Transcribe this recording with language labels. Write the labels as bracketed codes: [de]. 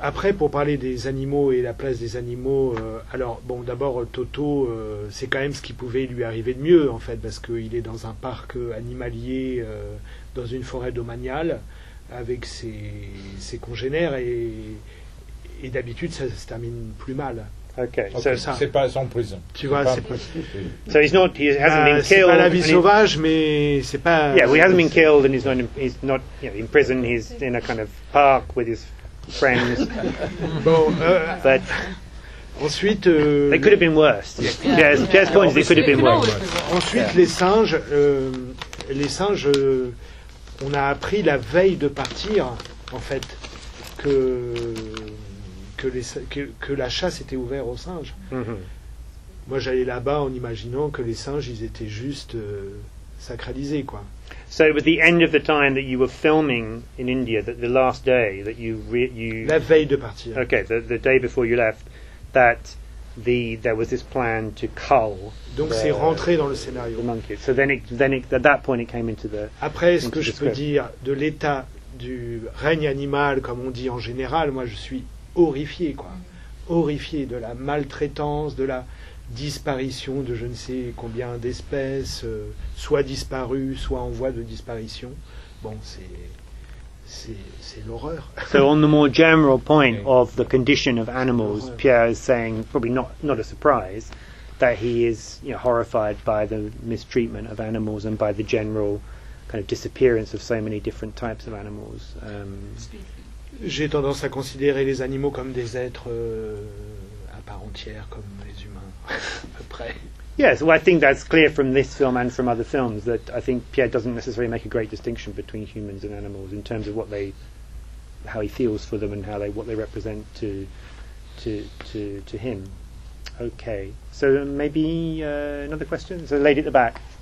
[fr] Après, pour parler des animaux et la place des animaux, d'abord, Toto, c'est quand même ce qui pouvait lui arriver de mieux, en fait, parce qu'il est dans un parc animalier, dans une forêt domaniale, avec ses congénères et. Et d'habitude, ça se termine plus mal. [en] Okay, [fr] okay. So c'est pas en prison. Tu vois, c'est pas. [en] So he's not. He hasn't been killed. [fr] C'est pas la vie sauvage, mais c'est pas. [en] Yeah, well, he hasn't been killed, and he's not. He's not, you know, in prison. He's in a kind of park with his friends. [fr] Bon. [en] But [fr] ensuite. [en] They could have been worse. Yeah. Yeah. Yeah. Yeah. Yeah. Points, they could have been worse. [fr] Ensuite, les singes. On a appris la veille de partir, en fait, que la chasse était ouverte aux singes. Mm-hmm. Moi, j'allais là-bas en imaginant que les singes, ils étaient juste sacralisés, quoi. [en] So it was the end of the time that you were filming in India, that the last day that you [fr] la veille de partir. [en] Okay, the day before you left, that there was this plan to cull. [fr] Donc c'est rentré dans le scénario. [en] The monkey. So then at that point it came into the. [fr] Après, ce que je peux dire de l'état du règne animal, comme on dit en général, moi je suis horrifié, quoi. Horrifié de la maltraitance, de la disparition de je ne sais combien d'espèces, soit disparues, soit en voie de disparition. Bon, c'est l'horreur. [en] So on the more general point of the condition of animals, Pierre is saying, probably not a surprise, that he is, you know, horrified by the mistreatment of animals and by the general kind of disappearance of so many different types of animals. [fr] J'ai tendance à considérer les animaux comme des êtres à part entière, comme les humains, à peu près. [en] Yes, well, I think that's clear from this film and from other films, that I think Pierre doesn't necessarily make a great distinction between humans and animals in terms of what they, how he feels for them and how they, what they represent to him. Okay, so maybe another question? So the lady at the back.